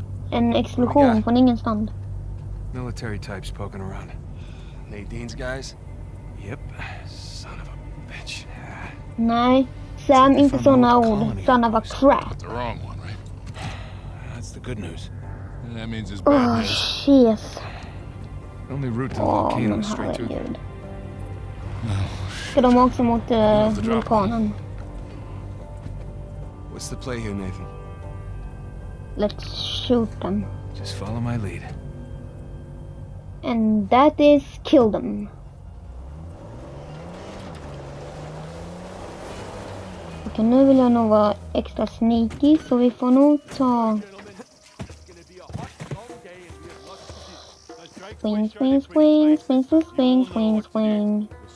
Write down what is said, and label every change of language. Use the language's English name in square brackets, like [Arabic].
[Swedish] En explosion från ingenstans. [English] Military types poking around. Nadine's guys? Yep. Son of a bitch. [Swedish] Nej. Sam, inte såna ord. [English] Son of a crap. The wrong one, right? That's the good news. That means it's bad news. Oh, jeez. The only route to the volcano is straight to it. [Swedish] Ska de också mot vulkanen? [English] What's the play here, Nathan? Let's shoot them. Just follow my lead. And that is kill them. [Swedish] Okej, nu vill jag nog vara extra sneaky, så vi får nog ta... [English] Swing, swing, swing, swing, swing, swing, swing, swing.